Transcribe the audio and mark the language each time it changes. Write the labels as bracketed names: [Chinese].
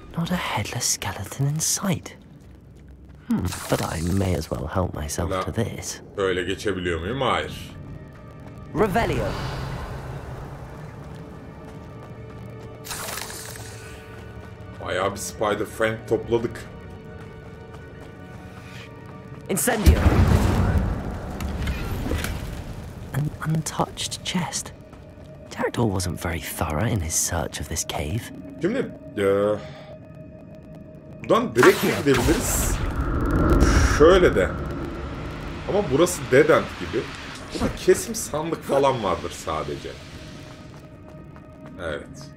[English] Not a headless skeleton in sight. But I may as well help myself to this. [Turkish] Öyle geçebiliyor muyum? Hayır. Revelio. Bayağı bir Spider Friend topladık. Incendio. [English] An untouched chest. Pterodactyl wasn't very thorough in his search of this cave. [Turkish] Şimdi, buradan direkt mi gidebiliriz? Şöyle de. Ama burası dead end gibi. Burada kesim sandık falan vardır sadece. Evet.